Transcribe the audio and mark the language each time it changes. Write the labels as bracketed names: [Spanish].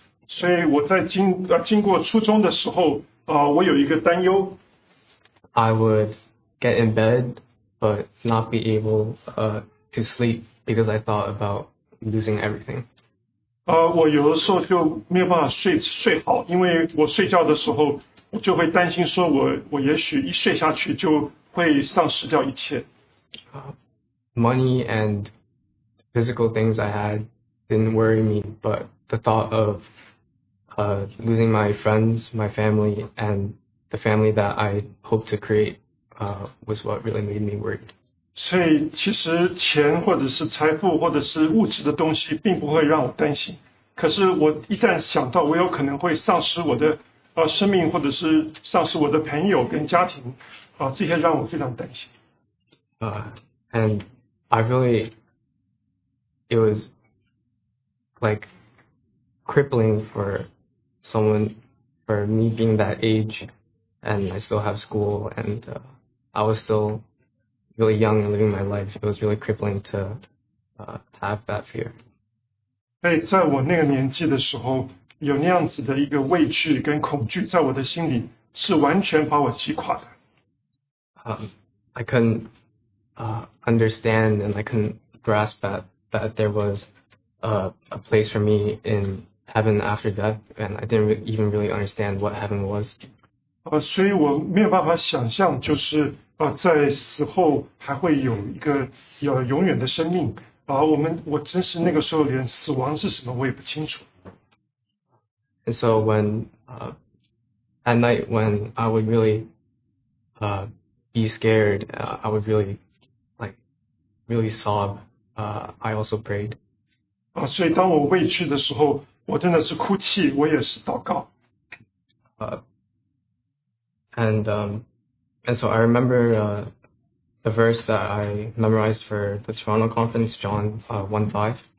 [Chinese] 所以我在经过初中的时候，我有一个担忧。 [English] I would get in bed, but not be able to sleep because I thought about losing everything. [Chinese] 我有的时候就没有办法睡好，因为我睡觉的时候，我就会担心说我也许一睡下去就会丧失掉一切。 [English] Money and physical things I had didn't worry me, but the thought of losing my friends, my family, and the family that I hope to create was what really made me worried. [Chinese] 所以其实钱或者是财富或者是物质的东西并不会让我担心，可是我一旦想到我有可能会丧失我的生命或者是丧失我的朋友跟家庭，这些让我非常担心。 [English] And I really, it was like crippling for someone, for me being that age, and I still have school, and I was still really young and living my life. It was really crippling to have that fear. [Chinese] 在我那个年纪的时候，有那样子的一个畏惧跟恐惧在我的心里，是完全把我击垮的。 [English] I couldn't understand, and I couldn't grasp that there was a place for me in heaven after death, and I didn't even really understand what heaven was. [Chinese] 所以我没有办法想象，就是在死后还会有一个有永远的生命。我真是那个时候连死亡是什么我也不清楚。 [English] And so when at night when I would really be scared, I would really sob, I also prayed. [Chinese] 所以当我畏惧的时候，我真的是哭泣，我也是祷告。 [English] And so I remember the verse that I memorized for the Toronto conference, John 1:5.